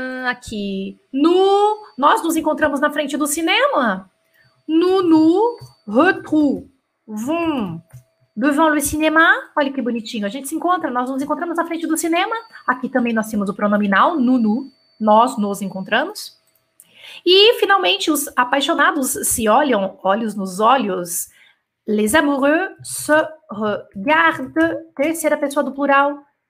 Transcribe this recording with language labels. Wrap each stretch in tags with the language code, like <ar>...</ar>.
<pt>Aqui, nós nos encontramos na frente do cinema.</pt> <fr>Nous retrouvons devant le cinéma.</fr> <pt>Olha que bonitinho, a gente se encontra, nós nos encontramos na frente do cinema. Aqui também nós temos o pronominal, nous, nós nos encontramos. E, finalmente, os apaixonados se olham olhos nos olhos.</pt> <fr>Les amoureux se regardent.</fr> <pt>Terceira pessoa do plural.</pt>